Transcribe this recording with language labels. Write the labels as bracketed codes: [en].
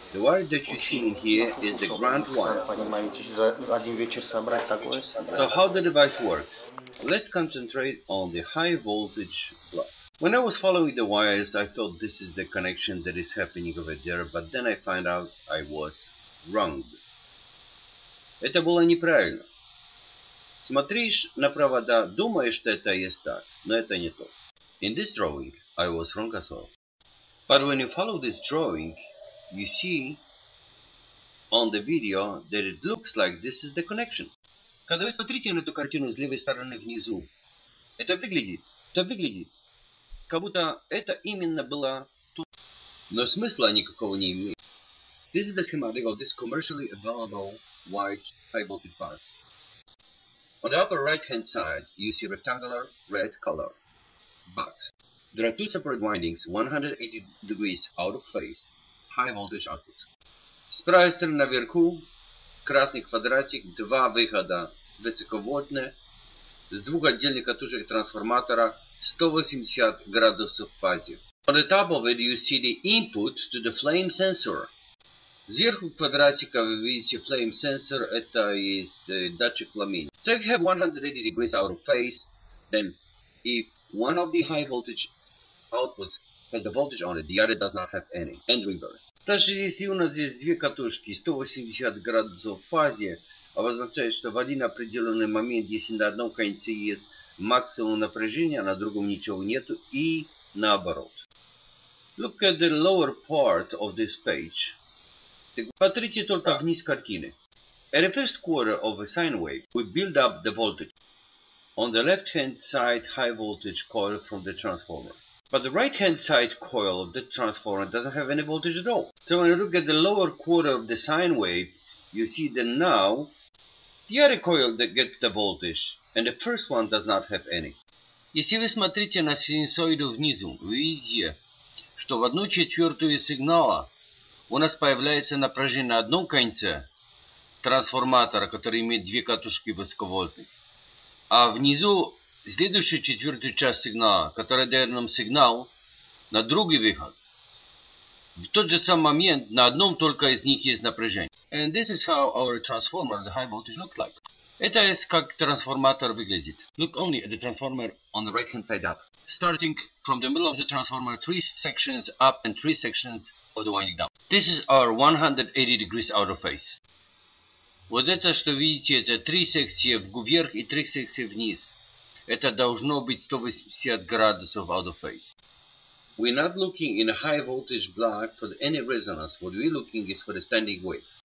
[en] The wire that you see in here is the ground wire. So how the device works? Let's concentrate on the high voltage block. When I was following the wires, I thought this is the connection that is happening over there, but then I find out I was wrong. [ru] Это было неправильно. Смотришь на провода, думаешь, что это есть так, но это не то. [en] In this drawing, I was wrong as well. But when you follow this drawing, you see on the video that it looks like this is the connection. [ru] Когда вы смотрите на эту картину с левой стороны внизу, это выглядит, как будто это именно было тут. Но смысла никакого не имеет. [en] This is the schematic of this commercially available white high voltage bus. On the upper right hand side, you see rectangular red color box. There are two separate windings, 180 degrees out of phase, high voltage output. [ru] С правой стороны наверху, красный квадратик, два выхода высоковольтные, с двух отдельных катушек трансформатора, 180 градусов фазе. [en] On the top of it, you see the input to the flame sensor. [ru] Сверху квадратика вы видите [en] flame sensor, [ru] это есть датчик пламени. [en] So if you have 180 degrees out of phase, then if one of the high voltage outputs has the voltage on it, the other does not have any. And reverse. [ru] Также если у нас есть две катушки 180 градусов в фазе, обозначает, что в один определенный момент, если на одном конце есть максимум напряжения, а на другом ничего нету, и наоборот. [en] Look at the lower part of this page. [ru] Посмотрите только вниз картины. [en] At the first quarter of a sine wave, we build up the voltage. On the left-hand side, high voltage coil from the transformer. But the right-hand side coil of the transformer doesn't have any voltage at all. So when you look at the lower quarter of the sine wave, you see that now the other coil that gets the voltage, and the first one does not have any. [ru] Если вы смотрите на синусоиду внизу, вы видите, что в одну четвертую сигнала у нас появляется напряжение на одном конце трансформатора, который имеет две катушки высоковольтных. А внизу следующая четвертая часть сигнала, которая дает нам сигнал на другой выход. В тот же самый момент на одном только из них есть напряжение. [en] And this is how our transformer, the high voltage, looks like. [ru] Это как трансформатор выглядит. [en] Look only at the transformer on the right-hand side up. Starting from the middle of the transformer, three sections up and three sections of the winding down. This is our 180 degrees out of phase. [ru] Вот это, что видите, это три секции вверх и три секции вниз. Это должно быть 180 градусов [en] out of phase. We're not looking in a high voltage block for any resonance. What we're looking is for the standing wave.